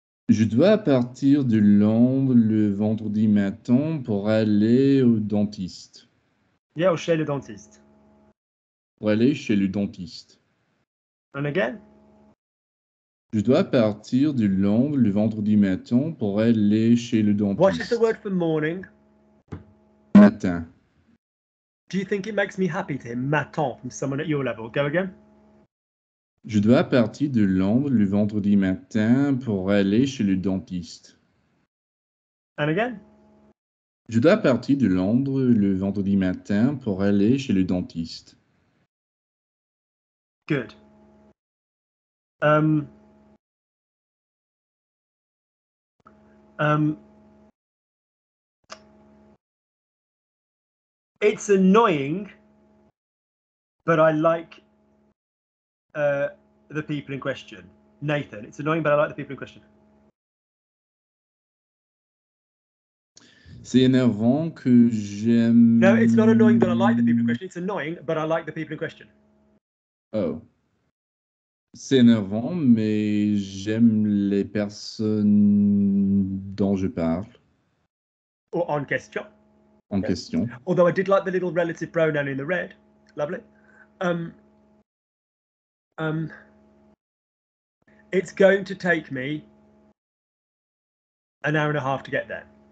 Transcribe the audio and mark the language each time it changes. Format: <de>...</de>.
<fr>Je dois partir de Londres le vendredi matin pour aller au dentiste. Yeah, chez le dentiste. Pour aller chez le dentiste.</fr> <en>And again?</en> <fr>Je dois partir de Londres le vendredi matin pour aller chez le dentiste.</fr> <en>What is the word for morning?</en> <fr>Matin.</fr> <en>Do you think it makes me happy to hear matin from someone at your level? Go again.</en> <fr>Je dois partir de Londres le vendredi matin pour aller chez le dentiste.</fr> <en>And again?</en> <fr>Je dois partir de Londres le vendredi matin pour aller chez le dentiste.</fr> <en>Good. It's annoying, but I like the people in question. Nathan, it's annoying, but I like the people in question.</en> <fr>C'est énervant que j'aime...</fr> <en>No, it's not annoying, but I like the people in question. It's annoying, but I like the people in question. Oh.</en> <fr>C'est énervant, mais j'aime les personnes dont je parle. Or en question. En okay. question.</fr> <en>Although I did like the little relative pronoun in the red. Lovely. It's going to take me an hour and a half to get there.</en>